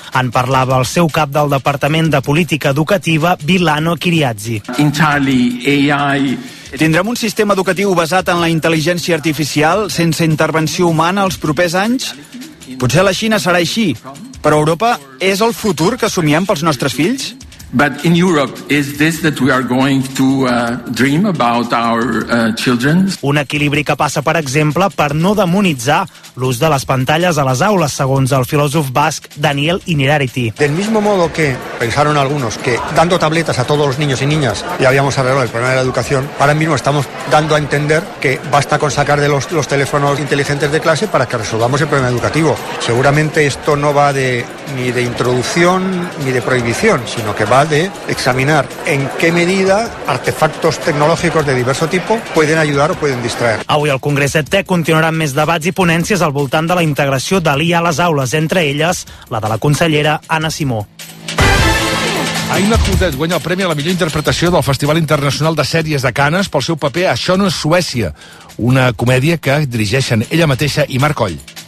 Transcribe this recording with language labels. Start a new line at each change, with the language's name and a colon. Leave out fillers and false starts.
Catalan: En parlava el seu cap del Departament de Política Educativa, Vilano Kiriazzi.
English: Entirely AI.
Catalan: Tindrem un sistema educatiu basat en la intel·ligència artificial sense intervenció humana els propers anys? Potser la Xina serà així. Però Europa és el futur que somiem pels nostres fills?
English: But in Europe, is this that we are going to dream about our children?
Catalan: Un equilibri que passa, per exemple, per no demonitzar l'ús de les pantalles a les aules, segons el filòsof basc Daniel Inerarity.
Spanish: Del mismo modo que pensaron algunos que dando tabletas a todos los niños y niñas ya habíamos arreglado el problema de la educación, ahora mismo estamos dando a entender que basta con sacar de los teléfonos inteligentes de clase para que resolvamos el problema educativo. Seguramente esto no va ni de introducción ni de prohibición, sino que va de examinar en qué medida artefactos tecnológicos de diverso tipo pueden ayudar o pueden distraer.
Catalan: Avui al Congrés ETEC continuaran més debats i ponències al voltant de la integració de l'IA a les aules, entre elles la de la consellera Anna Simó. Aina Coudet guanya el premi a la millor interpretació del Festival Internacional de Sèries de Cannes pel seu paper a Això no és Suècia, una comèdia que dirigeixen ella mateixa i Marc Coll.